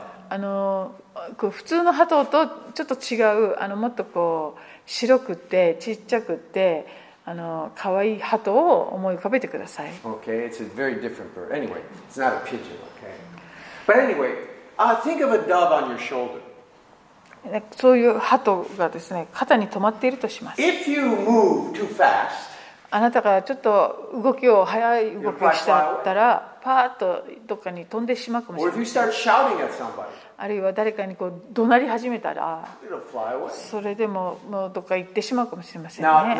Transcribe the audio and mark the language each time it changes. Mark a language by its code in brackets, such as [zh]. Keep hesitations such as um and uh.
[ja] あのこう普通のハトとちょっと違うあのもっとこう白くてちっちゃくてあの可愛いハトを思い浮かべてください。 [en] Okay, it's a very different bird. Anyway, it's not a pigeon. Okay, but anyway, I think of a dove on your shoulder. [ja] そういうハトがですね肩に止まっているとします。 [en] If you move too fast, [ja] あなたがちょっと動きを早い動きしちゃったら。 [en] You're [ja] パとどっかに飛んでしまうかもしれない。 [en] Somebody, [ja] あるいは誰かにこう怒鳴り始めたら、それでももうどっか行ってしまうかもしれません、ね、